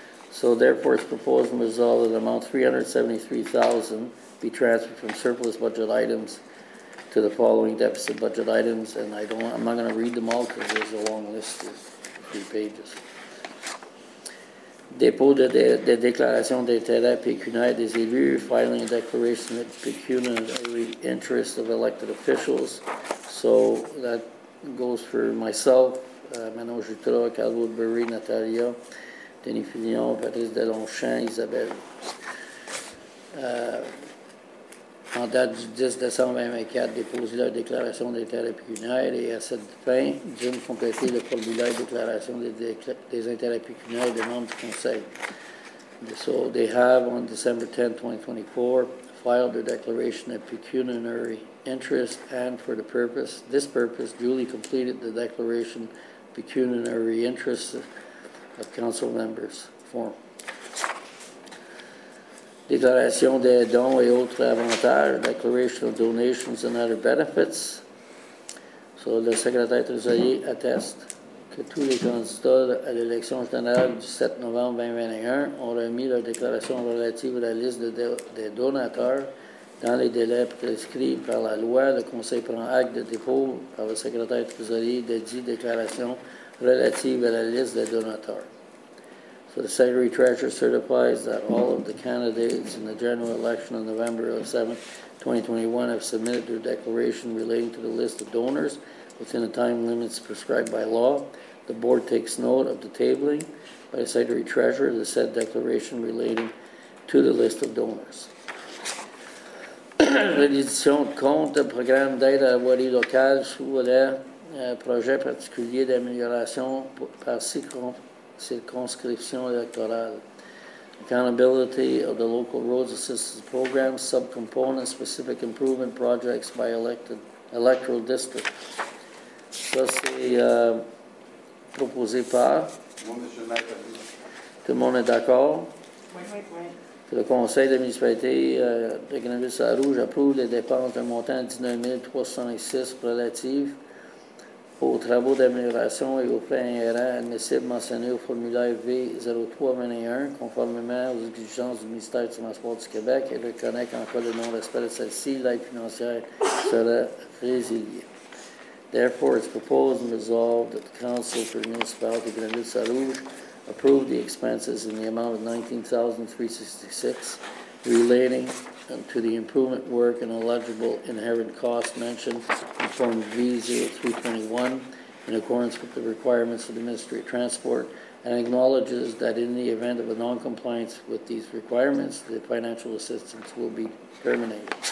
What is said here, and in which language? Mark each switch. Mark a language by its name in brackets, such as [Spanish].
[English] So, therefore, it's proposed and resolved that the amount $373,000 be transferred from surplus budget items to the following deficit budget items. And I'm not going to read them all because there's a long list of three pages. [French] Dépôt de déclaration d'intérêt pécuniaire des élus, [English] filing a declaration of pecuniary interest of elected officials. So that goes for myself, Manon Jutras, Carl Woodbury, Natalia, Denis Fillon, Patrice Delonchamp, Isabelle. [French] En date du 10 décembre 2024, déposer leur déclaration d'intérêt pécuniaire et à cette fin, d'une compléter le formulaire de déclaration des intérêts pécuniaires des membres du Conseil. [English] So they have, on December 10, 2024, filed their declaration of pecuniary interest and for the purpose, this purpose, duly completed the declaration pecuniary interest of council members form. [French] Déclaration des dons et autres avantages, [English] declaration of donations and other benefits. [French] So, le secrétaire trésorier atteste que tous les candidats à l'élection générale du 7 novembre 2021 ont remis leur déclaration relative à la liste des donateurs dans les délais prescrits par la loi. Le conseil prend acte de dépôt par le secrétaire trésorier de 10 déclarations relatives à la liste des donateurs. [English] So the Secretary Treasurer certifies that all of the candidates in the general election on November 7, 2021 have submitted their declaration relating to the list of donors within the time limits prescribed by law. The Board takes note of the tabling by the Secretary Treasurer of the said declaration relating to the list of donors. [French] L'édition de compte de programme d'aide à la voirie locale sous volet projet particulier d'amélioration par circonscription électorale. [English] Accountability of the local roads assistance program, subcomponent specific improvement projects by electoral district. [French] Ça, c'est proposé par? Tout le monde est d'accord? Oui. Le conseil de municipalité de Grenville-Sarrouge approuve les dépenses d'un montant de 19 306 relatives aux travaux d'amélioration et aux frais inhérents admissibles mentionnés au formulaire V0321, conformément aux exigences du ministère du Transport du Québec, et reconnaît qu'en cas de non-respect de celle-ci, l'aide financière sera résiliée. [English] Therefore, it's proposed and resolved that the Council for the Municipality of Grenville-Sarrouge approve the expenses in the amount of $19,366 relating to the improvement work and eligible inherent costs mentioned in Form V0321 in accordance with the requirements of the Ministry of Transport, and acknowledges that in the event of a non-compliance with these requirements, the financial assistance will be terminated.